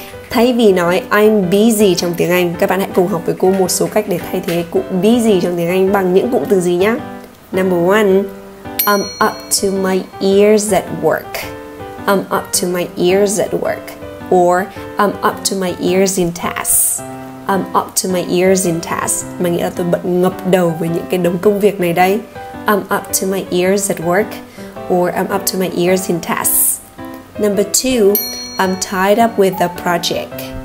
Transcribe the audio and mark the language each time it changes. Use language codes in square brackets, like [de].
[vi] Thay vì nói [en] I'm busy [vi] trong tiếng Anh, các bạn hãy cùng học với cô một số cách để thay thế cụm busy trong tiếng Anh bằng những cụm từ gì nhé. [en] Number one, I'm up to my ears at work. I'm up to my ears at work. Or I'm up to my ears in tasks. I'm up to my ears in tasks. [vi] Mà nghĩa là tôi bận ngập đầu với những cái đống công việc này đây. [en] I'm up to my ears at work. Or I'm up to my ears in tasks. Number two, I'm tied up with a project.